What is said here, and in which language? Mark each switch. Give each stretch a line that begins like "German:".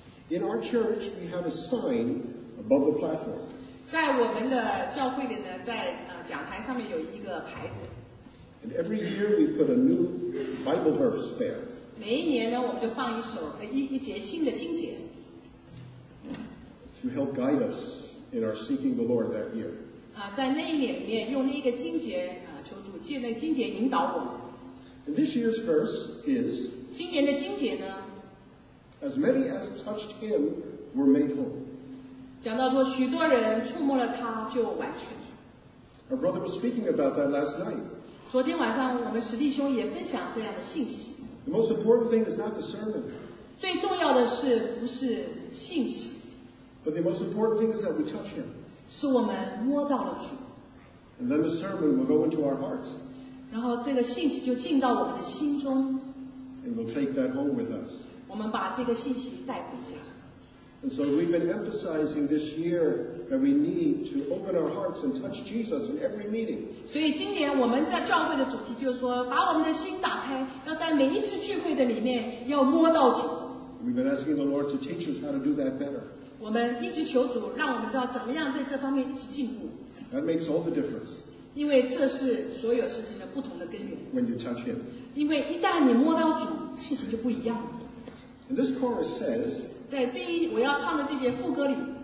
English: In our church, we have a sign above the platform.
Chinese: 在我们的教会里呢，在讲台上面有一个牌子。
English: And every year we put a new Bible verse there.
Chinese: 每一年呢，我们就放一首一节新的经节。
English: To help guide us in our seeking the Lord that year.
Chinese: 在那一年里面用那一个经节求主借那经节引导我们。
English: And this year's verse is.
Chinese: 今年的经节呢？
English: As many as touched him were made whole.
Chinese: 讲到说许多人触摸了他就完全。
English: Our brother was speaking about that last night.
Chinese: 昨天晚上我们史弟兄也分享这样的信息。
English: The most important thing is not the sermon.
Chinese: 最重要的是不是信息。
English: But the most important thing is that we touch him.
Chinese: 是我们摸到了主。
English: And then the sermon will go into our hearts.
Chinese: 然后这个信息就进到我们的心中。
English: And we'll take that home with us.
Chinese: 我们把这个信息带回家。
English: And so we've been emphasizing this year that we need to open our hearts and touch Jesus in every meeting.
Chinese: 所以今年我们在教会的主题就是说，把我们的心打开，要在每一次聚会的里面要摸到主。
English: We've been asking the Lord to teach us how to do that better.
Chinese: 我们一直求主让我们知道怎么样在这方面一直进步。
English: That makes all the difference.
Chinese: 因为这是所有事情的不同的根源。
English: When you touch Him.
Chinese: 因为一旦你摸到主，事情就不一样了。
English: And this chorus says,
Chinese: 在这一我要唱的这节副歌里